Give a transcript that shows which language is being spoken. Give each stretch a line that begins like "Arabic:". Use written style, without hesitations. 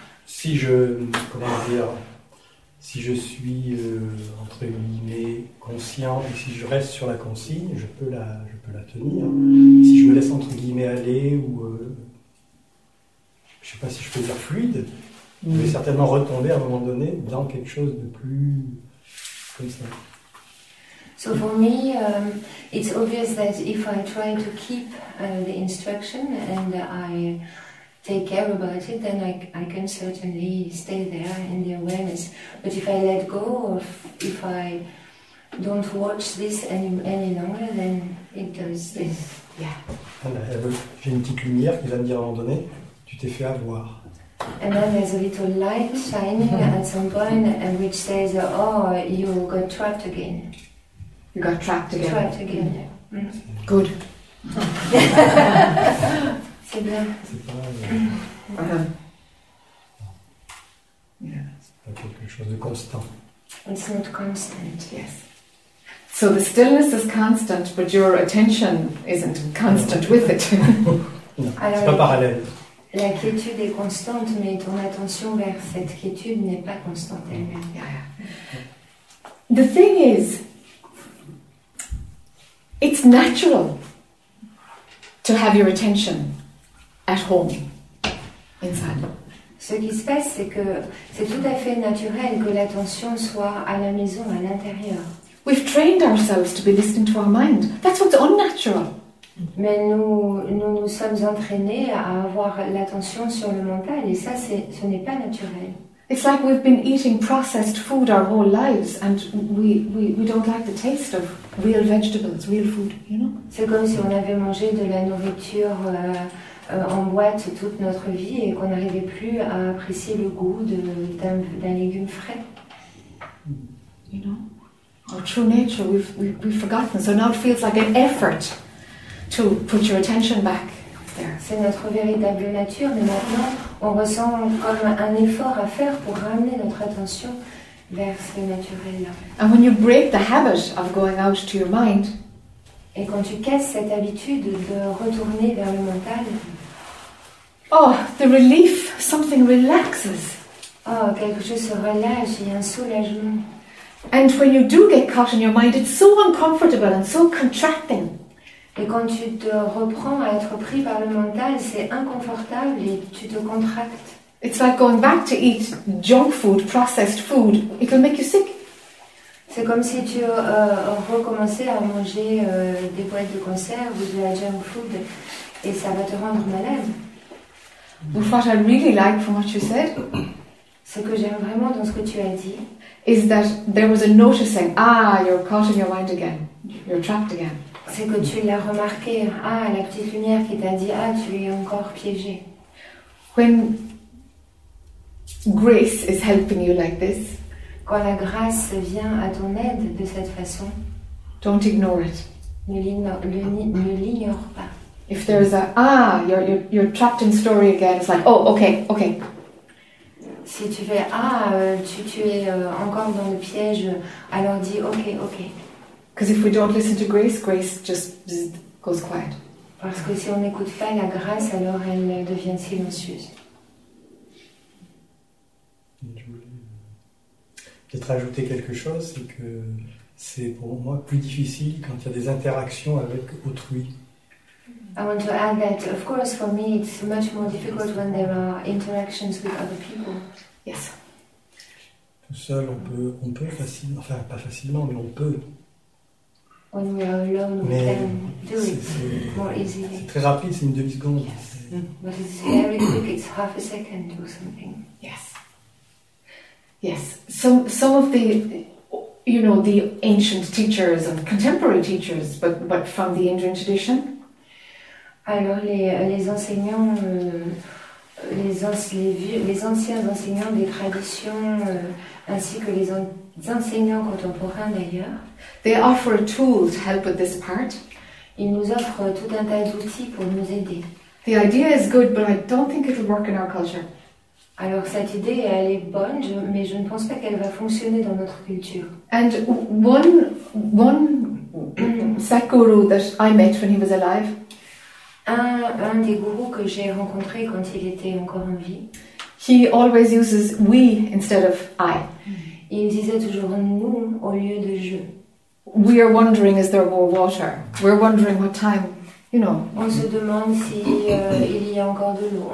French: Si je, comment dire, si je suis entre guillemets conscient et si je reste sur la consigne, je peux la tenir. Si je me laisse entre guillemets aller ou, je ne sais pas si je peux dire fluide, je vais certainement retomber à un moment donné dans quelque chose de plus comme ça.
English: So for me, it's obvious that if I try to keep the instruction and I take care about it, then I can certainly stay there in the awareness. But if I let go, or if I don't watch this any longer, then it does this. Yeah.
French: J'ai une petite lumière qui va me dire à un moment donné, tu t'es fait avoir.
English: And then there's a little light shining at some point, and which says, oh, you got trapped again. You got trapped again. Trapped again. Mm-hmm. Good.
French: C'est bien. C'est pas quelque chose de constant.
English: It's not constant. Yes. So the stillness is constant, but your attention isn't constant with it.
French: Non, c'est pas parallèle. La quiétude est constante, mais ton attention vers cette quiétude n'est pas constante elle-même.
English: The thing is, it's natural to have your attention at home, inside.
French: Ce qui se passe, c'est que c'est tout à fait naturel que l'attention soit à la maison, à l'intérieur.
English: We've trained ourselves to be listening to our mind. That's what's unnatural.
French: Mais nous sommes entraînés à avoir l'attention sur le mental, et ça, ce n'est pas naturel.
English: It's like we've been eating processed food our whole lives, and we don't like the taste of real vegetables, real food, you know?
French: C'est comme si on avait mangé de la nourriture en boîte toute notre vie et qu'on n'arrivait plus à apprécier le goût d'un légume frais.
English: You know? Our true nature, we've forgotten. So now it feels like an effort to put your attention back.
French: C'est notre véritable nature, mais maintenant on ressent comme un effort à faire pour ramener notre attention vers ce naturel-là.
English: And when you break the habit of going out to your mind,
French: et quand tu casses cette habitude de retourner vers le mental,
English: oh, the relief, something relaxes.
French: Oh, quelque chose se relâche, il y a un soulagement.
English: And when you do get caught in your mind, it's so uncomfortable and so contracting.
French: Et quand tu te reprends à être pris par le mental, c'est inconfortable et tu te contractes.
English: It's like going back to eat junk food, processed food. It will make you sick.
French: C'est comme si tu recommençais à manger des boîtes de conserve ou de la junk food et ça va te rendre malade.
English: But what I really like from what you said,
French: ce que j'aime vraiment dans ce que tu as dit,
English: is that there was a noticing, you're caught in your mind again. You're trapped again.
French: C'est que tu l'as remarqué. Ah, la petite lumière qui t'a dit, ah, tu es encore piégé.
English: When grace is helping you like this,
French: quand la grâce vient à ton aide de cette façon,
English: don't ignore it.
French: Ne l'ignore pas.
English: If there's a you're trapped in story again, it's like, oh, okay.
French: Si tu fais tu es encore dans le piège, alors dis okay.
English: Because if we don't listen to grace, grace just goes quiet.
French: Parce que si on n'écoute pas la grâce, alors elle devient silencieuse. Je voulais peut-être ajouter quelque chose, c'est que c'est pour moi plus difficile quand il y a des interactions avec autrui.
English: I want to add that, of course, for me, it's much more difficult when there are interactions with other people. Yes.
French: Tout seul, on peut facilement, enfin pas facilement, mais on peut.
English: when we are alone, we
French: Mais
English: can do it more easily.
French: C'est très rapide, c'est une demi-seconde.
English: Yes. Mm. But it's very quick, it's half a second or something. Yes. Yes. Some of the, you know, the ancient teachers and contemporary teachers, but from the Indian tradition.
French: Alors les enseignants, les anciens enseignants des traditions, ainsi que les enseignants contemporains d'ailleurs.
English: They offer a tool to help with this part.
French: Ils nous offrent tout un tas d'outils pour nous aider.
English: The idea is good, but I don't think it will work in our culture.
French: Alors cette idée elle est bonne, mais je ne pense pas qu'elle va fonctionner dans notre culture.
English: And one Sadhguru that I met when he was alive.
French: Un des gourous que j'ai rencontré quand il était encore en vie.
English: He always uses we instead of I.
French: Il disait toujours nous au lieu de je.
English: We are wondering is there more water. We're wondering what time, you know.
French: On se demande si il y a encore de l'eau.